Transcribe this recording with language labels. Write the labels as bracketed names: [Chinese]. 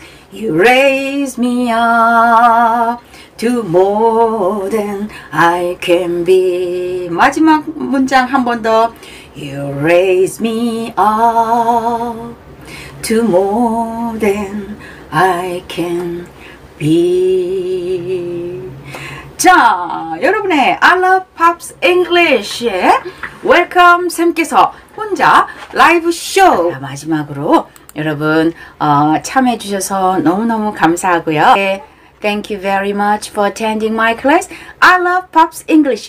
[English] You raise me up to more than I can be. [Korean] 마지막 문장 한 번 더. [English] You raise me up to more than I can be. [Korean] 자, 여러분의 I love Pops English의 Welcome 쌤께서 혼자 라이브 쇼. [English] 자, 마지막으로 여러분 참여해 주셔서 너무너무 감사하고요. Thank you very much for attending my class. I love Pops English.